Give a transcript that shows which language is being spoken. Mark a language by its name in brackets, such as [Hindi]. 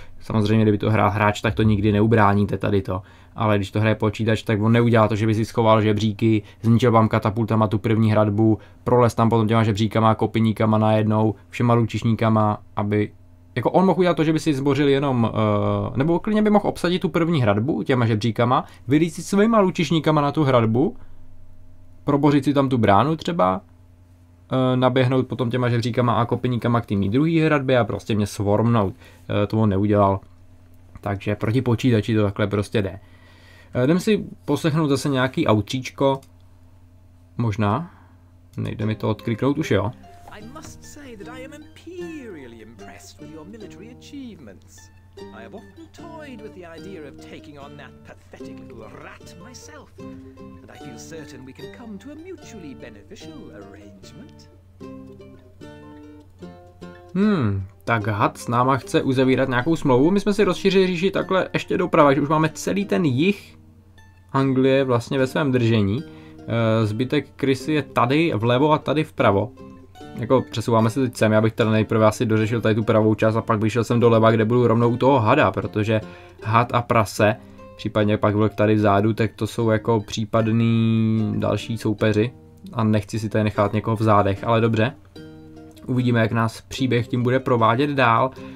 [Czech] Samozřejmě, kdyby to hrál hráč, tak to nikdy neubráníte tady to. Ale když to hraje počítač, tak on neudělá to, že by si schoval žebříky, zničil vám katapultama tu první hradbu, prolez tam potom těma žebříkama, kopiníkama najednou, všema lučišníkama, aby jako on mohl udělat to, že by si zbořil jenom, nebo klidně by mohl obsadit tu první hradbu těma žebříkama, vylít si svýma lučišníkama na tu hradbu, probořit si tam tu bránu třeba, naběhnout potom těma žebříkama a kopiníkama k tým druhý hradbě a prostě mě swarmnout. To on neudělal. Takže proti počítači to takhle prostě jde. Jdem si poslechnout zase nějaký outříčko. Možná. Nejde mi to odkliknout, už jo. [English] I must say that I am imperially impressed with your military achievements. I have often toyed with the idea of taking on that pathetic little rat myself, and I feel certain we can come to a mutually beneficial arrangement. [Czech] Tak had s náma chce uzavírat nějakou smlouvu. My jsme si rozšířili říši takhle ještě doprava, že už máme celý ten jih Anglie vlastně ve svém držení. Zbytek Krysy je tady vlevo a tady vpravo. Jako přesouváme se teď sem, já bych teda nejprve asi dořešil tady tu pravou část a pak bych šel sem doleva, kde budu rovnou u toho hada, protože had a prase, případně pak vlk tady vzadu, tak to jsou jako případný další soupeři a nechci si tady nechat někoho v zádech, ale dobře, uvidíme, jak nás příběh tím bude provádět dál.